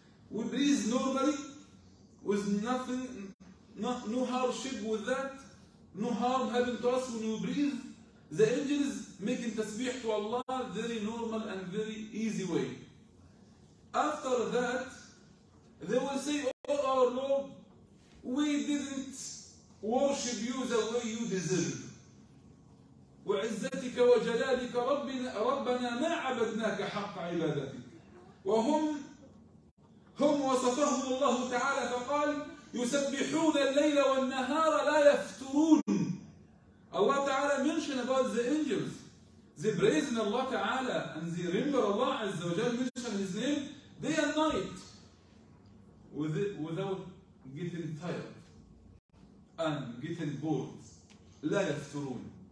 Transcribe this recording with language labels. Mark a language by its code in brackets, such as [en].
[en] We breathe normally with nothing, no hardship with that, no harm having to us when we breathe. The angels making tasbih to Allah very normal and very easy way. After that, they will say, oh our Lord, we didn't worship you the way you deserve. [ar] وعزتك وجلالك ربنا ما عبدناك حق عبادتك. وهم وصفهم الله تعالى فقال يسبحون الليل والنهار لا يفترون. [en] الله تعالى mentioned about the angels. They praise Allah تعالى and they remember Allah عز وجل mention his name day and night without getting tired and getting bored. [ar] لا يفترون.